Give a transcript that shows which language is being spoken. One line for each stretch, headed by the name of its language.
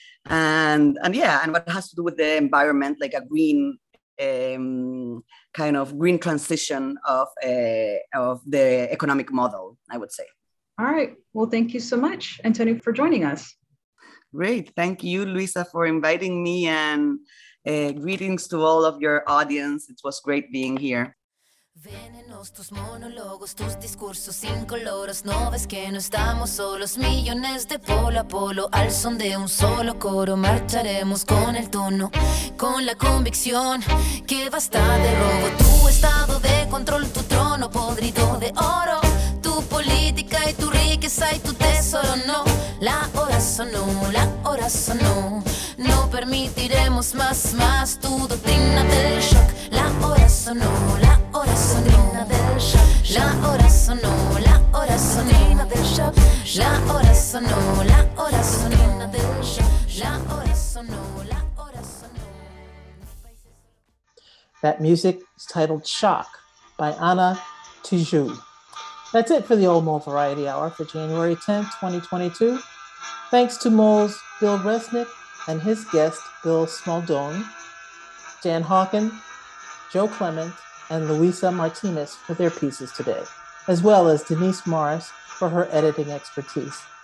English: And what has to do with the environment, like a green kind of green transition of the economic model, I would say. All right. Well, thank you so much, Antonio, for joining us. Great. Thank you, Luisa, for inviting me, and greetings to all of your audience. It was great being here.
Spanish: Venenos tus monólogos, tus discursos incoloros. No ves que no estamos solos. Millones de polo a polo al son de un solo coro. Marcharemos con el tono, con la convicción que basta de robo. Tu estado de control, tu trono podrido de oro. Tu política y tu riqueza y tu tesoro. No, la hora sonó, la hora sonó. No permitiremos más, más tu doctrina del shock. La hora sonó, la hora sonó. La hora sonó, la hora sonó. La hora sonó, la hora sonó. La hora sonó, la hora sonó.
English: That music is titled Shock by Anna Tijoux. That's it for the Old Mole Variety Hour for January 10th, 2022. Thanks to Mole's Bill Resnick and his guest, Bill Smaldone, Dan Hawken, Joe Clement, and Luisa Martinez for their pieces today, as well as Denise Morris for her editing expertise.